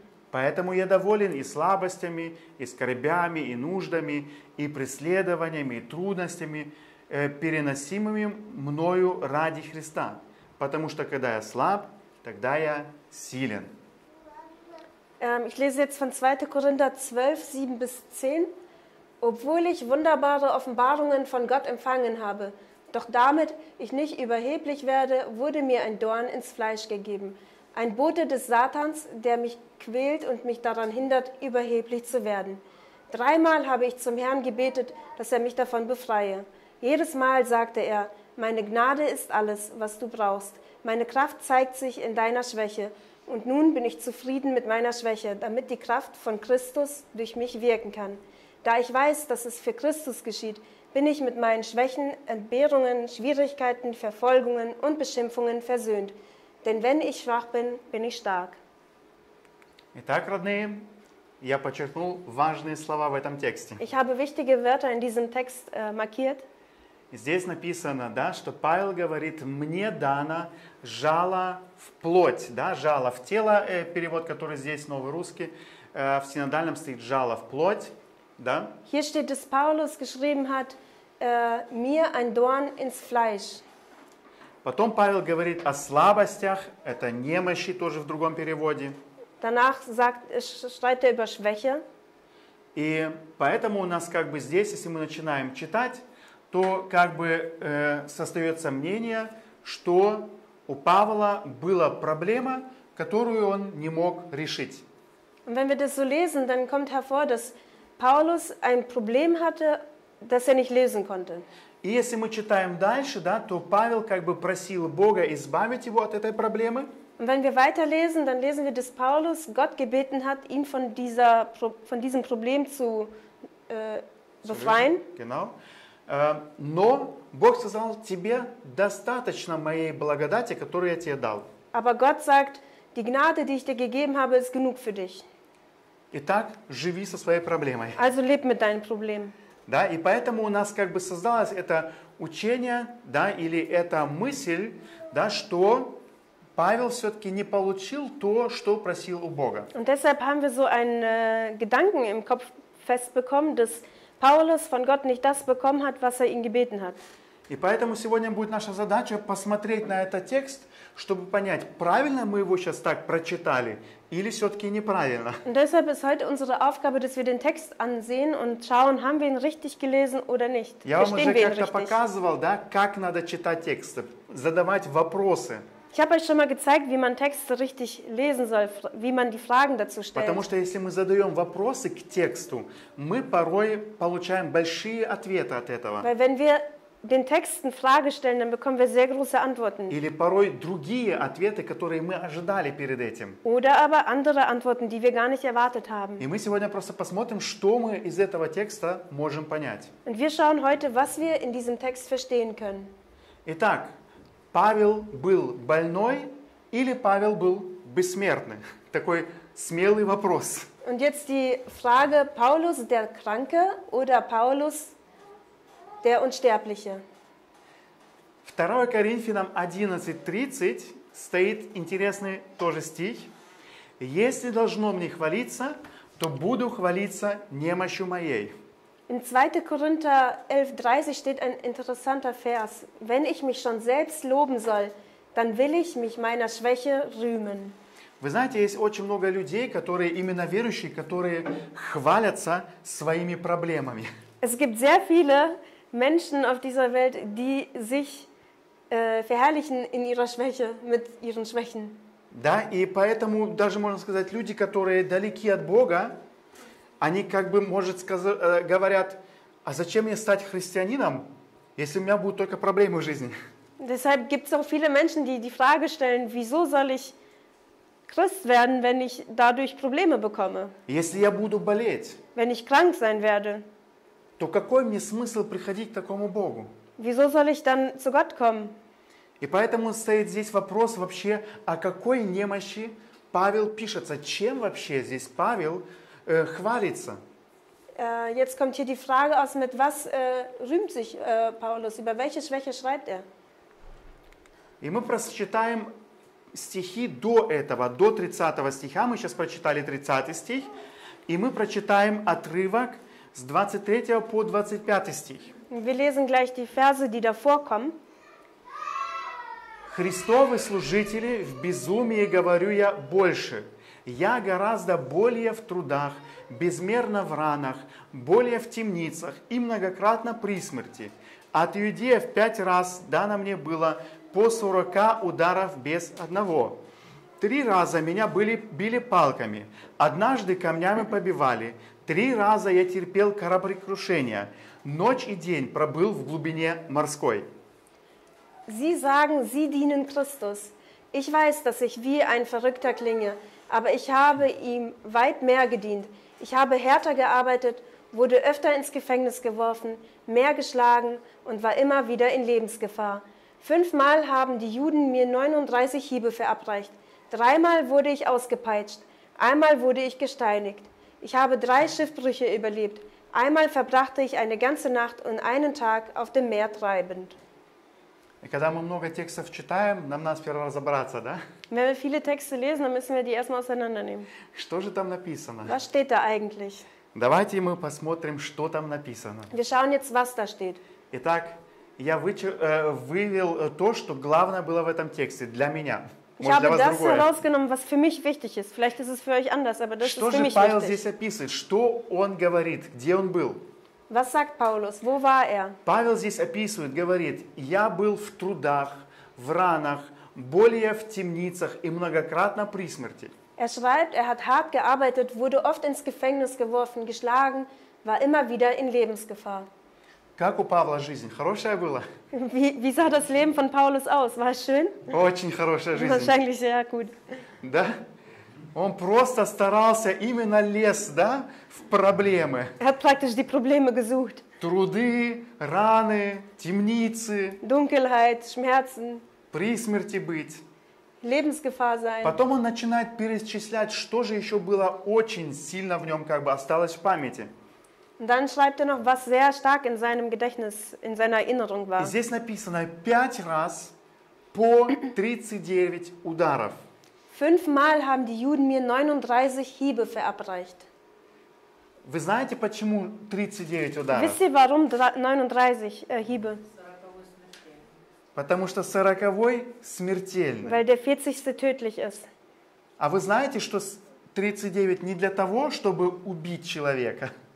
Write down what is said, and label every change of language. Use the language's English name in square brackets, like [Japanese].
[Russian] Поэтому я доволен и слабостями, и скорбями, и нуждами, и преследованиями, и трудностями, переносимыми мною ради Христа. Потому что когда я слаб, тогда я силен. [German] Ich lese jetzt von 2. Korinther 12, 7-10. Obwohl ich wunderbare Offenbarungen von Gott empfangen habe, doch damit ich nicht überheblich werde, wurde mir ein Dorn ins Fleisch gegeben. Ein Bote des Satans, der mich quält und mich daran hindert, überheblich zu werden. Dreimal habe ich zum Herrn gebetet, dass er mich davon befreie. Jedes Mal sagte er: Meine Gnade ist alles, was du brauchst. Meine Kraft zeigt sich in deiner Schwäche. Und nun bin ich zufrieden mit meiner Schwäche, damit die Kraft von Christus durch mich wirken kann. Da ich weiß, dass es für Christus geschieht, bin ich mit meinen Schwächen, Entbehrungen, Schwierigkeiten, Verfolgungen und Beschimpfungen versöhnt. Denn wenn ich schwach bin, bin ich stark. [Russian] Итак, родные, я подчеркнул важные слова в этом тексте. [German] Ich habe wichtige Wörter in diesem Text markiert. [Russian] Здесь написано, да, что Павел говорит: «Мне дано жало в плоть», да, «жало в тело», перевод, который здесь, новый русский, в синодальном стоит «жало в плоть». Да? [German] Hier steht, dass Paulus geschrieben hat, mir ein Dorn ins Fleisch. [Russian] Потом Павел говорит о слабостях, это немощи тоже в другом переводе. [German] Danach sagt, schreibt er über Schwäche. [Russian] И поэтому у нас как бы здесь, если мы начинаем читать, то как бы остается мнение, что у Павла была проблема, которую он не мог решить. [German] Und wenn wir das so lesen, dann kommt hervor, dass Paulus ein Problem hatte, das er nicht lösen konnte. [Russian] И если мы читаем дальше, да, то Павел как бы просил Бога избавить его от этой проблемы. [German] Und wenn wir weiterlesen, dann lesen wir, dass Paulus Gott gebeten hat, ihn von diesem Problem zu befreien. Genau. [Russian] Но Бог сказал: тебе достаточно моей благодати, которую я тебе дал. [German] Aber Gott sagt: die Gnade, die ich dir gegeben habe, ist genug für dich. [Russian] Итак, живи со своей проблемой. [German] Also leb mit deinen Problemen. [Russian] Да, и поэтому у нас как бы создалось это учение, да, или эта мысль, да, что Павел все-таки не получил то, что просил у Бога. [German] Und deshalb haben wir so einen Gedanken im Kopf festbekommen, dass Paulus von Gott nicht das bekommen hat, was er ihn gebeten hat. [Russian] И поэтому сегодня будет наша задача посмотреть на этот текст, чтобы понять, правильно мы его сейчас так прочитали или все-таки неправильно. [German] Und deshalb ist heute unsere Aufgabe, dass wir den Text ansehen und schauen, haben wir ihn richtig gelesen oder nicht. [Russian] Я вам уже как-то показывал, да, как надо читать тексты, задавать вопросы. [German] Ich habe euch schon mal gezeigt, wie man Texte richtig lesen soll, wie man die Fragen dazu stellt. [Russian] Потому что если мы задаем вопросы к тексту, мы порой получаем большие ответы от этого. [German] Weil wenn wir den Texten Frage stellen, dann bekommen wir sehr große Antworten. [Russian] Или порой другие ответы, которые мы ожидали перед этим. [German] Oder aber andere Antworten, die wir gar nicht erwartet haben. [Russian] И мы сегодня просто посмотрим, что мы из этого текста можем понять. [German] Und wir schauen heute, was wir in diesem Text verstehen können. [Russian] Итак, Павел был больной или Павел был бессмертный? Такой смелый вопрос. [German] Und jetzt die Frage: Paulus der Kranke oder Paulus der Unsterbliche? [Russian] 2 Коринфянам 11:30 стоит интересный тоже стих. Если должно мне хвалиться, то буду хвалиться немощью моей. [German] In 2. Korinther 11:30 steht ein interessanter Vers: Wenn ich mich schon selbst loben soll, dann will ich mich meiner Schwäche rühmen. [Russian] Вы знаете, есть очень много людей, которые именно верующие, которые хвалятся своими проблемами. [German] Es gibt sehr viele Menschen auf dieser Welt, die sich verherrlichen in ihrer Schwäche, mit ihren Schwächen. [Russian] Да, и поэтому даже можно сказать, люди, которые далеки от Бога, они как бы, может, говорят: а зачем мне стать христианином, если у меня будут только проблемы в жизни? [German] Deshalb gibt es auch viele Menschen, die Frage stellen: wieso soll ich Christ werden, wenn ich dadurch Probleme bekomme? [Russian] Если я буду болеть, [German] wenn ich krank sein werde, [Russian] то какой мне смысл приходить к такому Богу? [German] Wieso soll ich dann zu Gott kommen? [Russian] И поэтому стоит здесь вопрос вообще, о какой немощи Павел пишется? Чем вообще здесь Павел хвалится? [German] Jetzt kommt hier die Frage aus, mit was rühmt sich Paulus? Über welche Schwäche schreibt er? [Russian] И мы прочитаем стихи до этого, до 30 стиха. Мы сейчас прочитали 30 стих. И мы прочитаем отрывок с 23 по 25 стих. [German] Wir lesen gleich die Verse, die davor kommen. [Russian] Христовы служители, в безумии говорю я больше. Я гораздо более в трудах, безмерно в ранах, более в темницах и многократно при смерти. От иудеев 5 раз дано мне было по 40 ударов без одного. 3 раза меня били палками, однажды камнями побивали, 3 раза я терпел кораблекрушение, ночь и день пробыл в глубине морской. [German] Sie sagen, Sie dienen Christus. Ich weiß, dass ich wie ein Verrückter klinge, aber ich habe ihm weit mehr gedient. Ich habe härter gearbeitet, wurde öfter ins Gefängnis geworfen, mehr geschlagen und war immer wieder in Lebensgefahr. 5-mal haben die Juden mir 39 Hiebe verabreicht. 3-mal wurde ich ausgepeitscht. 1-mal wurde ich gesteinigt. Ich habe 3 Schiffbrüche überlebt. 1-mal verbrachte ich eine ganze Nacht und einen Tag auf dem Meer treibend. [Russian] И когда мы много текстов читаем, нам надо сперва разобраться, да? [German] Wenn wir viele Texte lesen, dann müssen wir die erstmal auseinandernehmen. [Russian] Что же там написано? [German] Was steht da eigentlich? [Russian] Давайте мы посмотрим, что там написано. [German] Wir schauen jetzt, was da steht. [Russian] Итак, я вывел то, что главное было в этом тексте для меня. [German] Ich habe das herausgenommen, was für mich wichtig ist. Vielleicht ist es für euch anders, aber das ist für mich wichtig. [Russian] Что же Павел здесь описывает? Что он говорит? Где он был? [German] Was sagt Paulus? Wo war er? [Russian] Павел здесь описывает, говорит, я был в трудах, в ранах, более в темницах и многократно при смерти. [German] Er schreibt, er hat hart gearbeitet, wurde oft ins Gefängnis geworfen, geschlagen, war immer wieder in Lebensgefahr. [Russian] Как у Павла жизнь? Хорошая была? [German] Wie sah das Leben von Paulus aus? War es schön? [Russian] Очень хорошая жизнь. [German] Wahrscheinlich sehr gut. [Russian] Да? Он просто старался именно лез, да, в проблемы. [German] Er hat praktisch die Probleme gesucht. [Russian] Труды, раны, темницы. [German] Dunkelheit, Schmerzen. [Russian] При смерти быть. [German] Lebensgefahr sein. [Russian] Потом он начинает перечислять, что же еще было очень сильно в нем, как бы, осталось в памяти. [German] Und dann schreibt er noch, was sehr stark in seinem Gedächtnis, in seiner Erinnerung war. [Russian] И здесь написано 5 раз по 39 ударов. [German] 5-mal haben die Juden mir 39 Hiebe verabreicht. [Russian] Вы знаете, почему 39 ударов? [German] Wisst ihr, warum 39 Hiebe? [Russian] Потому что 40-й смертельный. [German] Weil der 40. tödlich ist. [Russian] А вы знаете, что 39 не для того, чтобы убить человека?